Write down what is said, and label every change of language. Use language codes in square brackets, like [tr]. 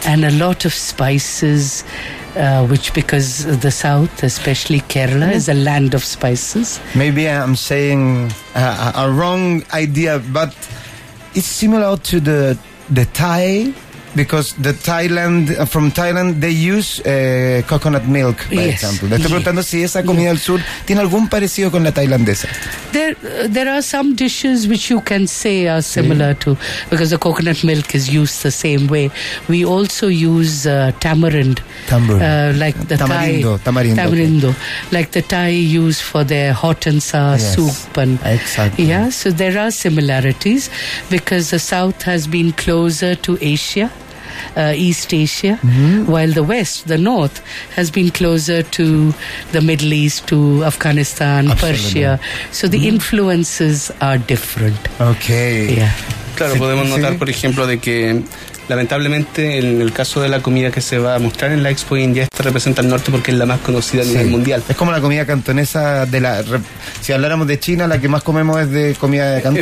[en] And a lot of spices, which, because the south, especially Kerala, is a land of spices. Maybe I'm saying a wrong idea, but it's similar to the Thai, because the Thailand, from Thailand, they use coconut milk, by, yes, example. [es] Le estoy preguntando si esa comida del sur tiene algún parecido con la tailandesa. [en] There are some dishes which you can say are similar, sí, to, because the coconut milk is used the same way. We also use tamarindo, okay, like the Thai use for their hot and sour, yes, soup. And, exactly. Yeah, so there are similarities, because the south has been closer to Asia. East Asia, mm-hmm, while the west, the north, has been closer to the Middle East, to Afghanistan, absolutely, Persia. So the, mm-hmm, influences are different. Okay. Yeah. [es] Claro, podemos notar, por ejemplo, de que lamentablemente en el caso de la comida que se va a mostrar en la Expo India, esta representa el norte porque es la más conocida a, sí, nivel mundial. Es como la comida cantonesa de la, si habláramos de China, la que más comemos es de comida de Cantón.